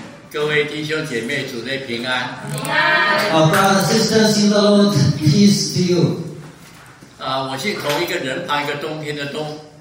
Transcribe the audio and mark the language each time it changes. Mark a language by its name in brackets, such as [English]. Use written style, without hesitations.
[Chinese] 各位弟兄姐妹，主内平安。平安。 [English] Brothers and sisters in the Lord, peace to you. [Chinese] 我姓同一个人，当一个冬天的冬。